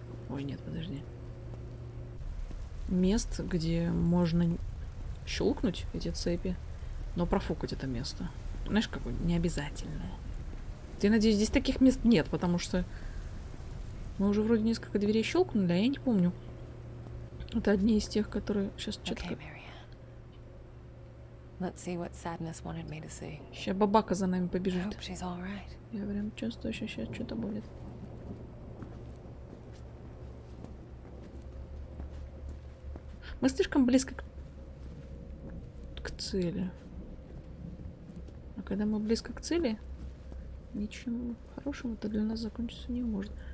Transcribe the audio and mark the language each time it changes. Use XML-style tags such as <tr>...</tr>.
<ru>Ой, нет, подожди. Мест, где можно щелкнуть эти цепи, но профукать это место. Знаешь, какое-то необязательное. Я надеюсь, здесь таких мест нет, потому что мы уже вроде несколько дверей щелкнули, а я не помню. Это одни из тех, которые... Сейчас четко...</ru> <en>Let's see what sadness wanted me to see.</en> <ru>Сейчас бабака за нами побежит.</ru> <en>I hope she's all right.</en> <ru>Я прям чувствую, что сейчас что-то будет. Мы слишком близко к цели. А когда мы близко к цели, ничем хорошим это для нас закончиться не может.</ru>